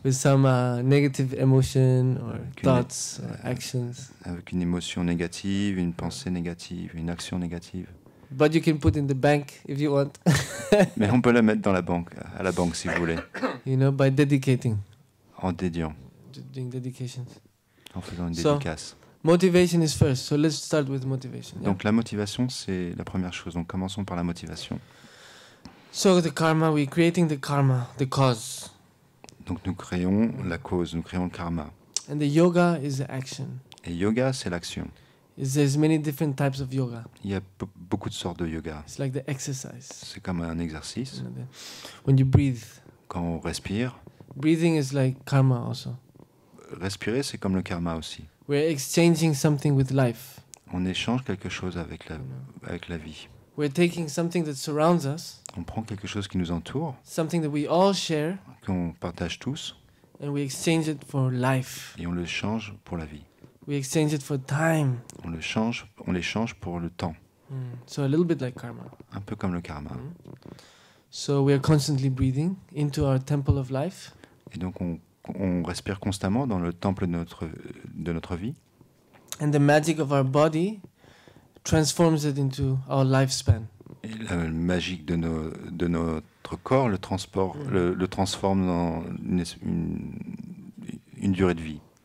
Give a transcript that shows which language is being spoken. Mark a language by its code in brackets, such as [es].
[en] With some negative emotion or thoughts, or actions. [fr] Avec une émotion négative, une pensée négative, une action négative. [en] But you can put in the bank if you want. [fr] Mais on peut la mettre dans la banque, à la banque si vous voulez. [en] You know, by dedicating. [fr] En dédiant. [en] Doing dedications. [fr] En faisant une dédicace. [en] Motivation is first, so let's start with motivation. [fr] Donc la motivation, c'est la première chose. Donc commençons par la motivation. [en] So the karma, we're creating the karma, the cause. [fr] Donc nous créons la cause, nous créons le karma. [en] And the yoga is the action. [fr] Et yoga, c'est l'action. [en] There's many different types of yoga. [fr] Il y a beaucoup de sortes de yoga. [en] It's like the exercise. [fr] C'est comme un exercice. [en] When you breathe. [fr] Quand on respire. [en] Breathing is like karma also. [fr] Respirer, c'est comme le karma aussi. [en] We're exchanging something with life. [fr] On échange quelque chose avec la, avec la vie. [en] We're taking something that surrounds us. [fr] On prend quelque chose qui nous entoure. [en] Something that we all share. [fr] Qu'on partage tous. [en] And we exchange it for life. [fr] Et on le change pour la vie. [en] We exchange it for time. [fr] On le change, on l'échange pour le temps. [en] So a little bit like karma. [fr] Un peu comme le karma. [en] So we are constantly breathing into our temple of life. [fr] Et donc on respire constamment dans le temple de notre vie. [en] And the magic of our body transforms it into our lifespan. [fr] Et la magie de notre corps le transporte, le transforme dans une durée de vie.